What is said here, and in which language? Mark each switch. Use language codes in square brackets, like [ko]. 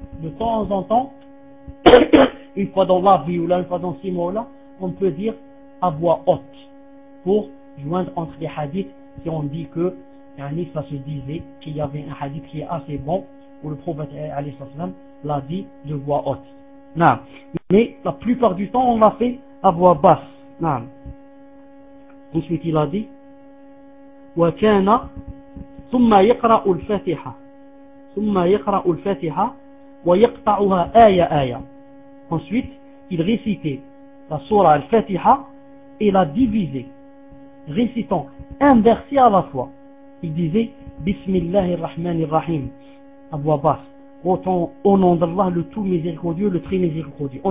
[fr] De temps en temps, une fois dans la vie ou là, une fois dans ces mots-là, on peut dire à voix haute pour joindre entre les hadiths si on dit que ça se disait qu'il y avait un hadith qui est assez bon où le prophète l'a dit de voix haute. Non. Mais la plupart du temps, on l'a fait à voix basse. Non. Ensuite, il a dit, [ar] وَكَانَ ثُمَّ يَقْرَأُ الْفَاتِحَ ثُمَّ يَقْرَأُ الْفَاتِحَ وَيَقْطَعُهَا آيَةً آيَةً. [fr] Ensuite, il récitait la surah al-Fatiha et la divisait, récitant un verset à la fois. Il disait Bismillahir Rahmanir Rahim à voix basse, autant au nom d'Allah le tout miséricordieux, le très miséricordieux.